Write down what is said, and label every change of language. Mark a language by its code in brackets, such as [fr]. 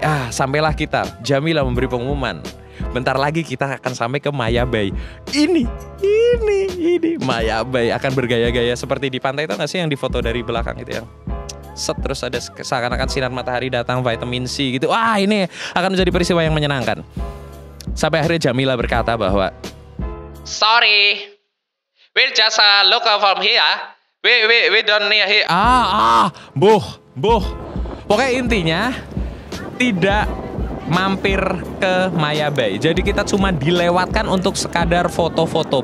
[id] Sampailah kita, Jamila memberi pengumuman. Bentar lagi kita akan sampai ke Maya Bay. Ini Maya Bay akan bergaya-gaya seperti di pantai itu, nggak sih yang difoto dari belakang gitu ya? Terus ada seakan-akan sinar matahari datang, vitamin C gitu. Wah, ini akan menjadi peristiwa yang menyenangkan. Sampai akhirnya Jamila berkata bahwa, [en] sorry, we'll just look from here. We don't need here. Buh. [id] Pokoknya intinya, tidak mampir ke Maya Bay. Jadi kita cuma dilewatkan untuk sekadar foto-foto.